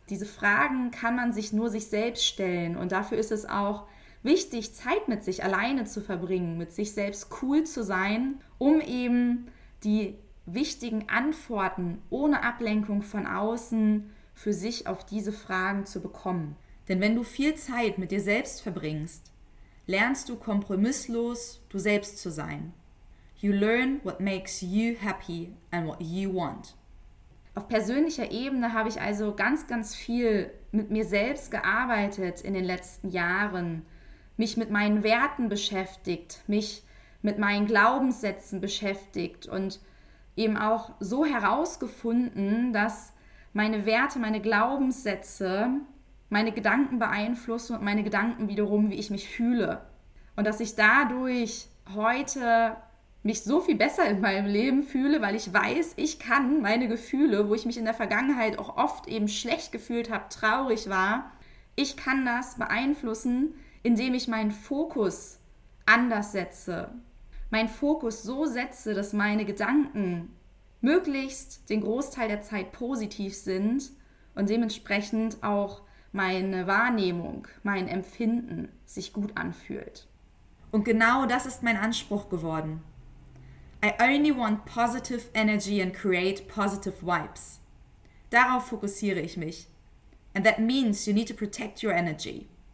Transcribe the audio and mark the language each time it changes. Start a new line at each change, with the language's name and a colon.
German: Diese Fragen kann man sich nur sich selbst stellen und dafür ist es auch wichtig, Zeit mit sich alleine zu verbringen, mit sich selbst cool zu sein, um eben die wichtigen Antworten ohne Ablenkung von außen für sich auf diese Fragen zu bekommen. Denn wenn du viel Zeit mit dir selbst verbringst, lernst du kompromisslos, du selbst zu sein.
English: You learn what makes you happy and what you want.
German: Auf persönlicher Ebene habe ich also ganz, ganz viel mit mir selbst gearbeitet in den letzten Jahren, mich mit meinen Werten beschäftigt, mich mit meinen Glaubenssätzen beschäftigt und eben auch so herausgefunden, dass meine Werte, meine Glaubenssätze meine Gedanken beeinflussen und meine Gedanken wiederum, wie ich mich fühle. Und dass ich dadurch heute mich so viel besser in meinem Leben fühle, weil ich weiß, ich kann meine Gefühle, wo ich mich in der Vergangenheit auch oft eben schlecht gefühlt habe, traurig war, ich kann das beeinflussen, indem ich meinen Fokus anders setze. meinen Fokus so setze, dass meine Gedanken möglichst den Großteil der Zeit positiv sind und dementsprechend auch meine Wahrnehmung, mein Empfinden sich gut anfühlt. Und genau das ist mein Anspruch geworden.
English: I only want positive energy and create positive vibes.
German: Darauf fokussiere ich mich.
English: And that means you need to protect your energy.